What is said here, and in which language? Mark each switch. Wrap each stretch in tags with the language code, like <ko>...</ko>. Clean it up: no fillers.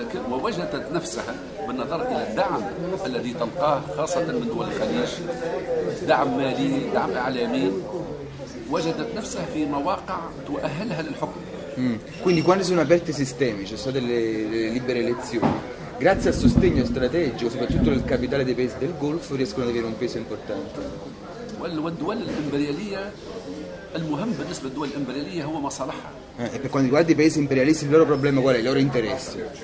<ar>ووجدت نفسها بالنظر إلى الدعم الذي تلقاه خاصة من دول الخليج دعم مالي دعم إعلامي وجدت نفسها في مواقع تؤهلها للحكم.</ar> <it>Quindi quando sono aperti sistemi, ci sono delle libere elezioni. Grazie al sostegno strategico, soprattutto del capitale dei paesi del Golfo, riescono ad avere un peso importante.</it> <ar>والدول الإمبريالية المهم بالنسبة للدول الإمبريالية هو مصالحها.</ar> <it>E per quanto riguarda i paesi imperialisti il loro problema qual è? I loro interessi.</it>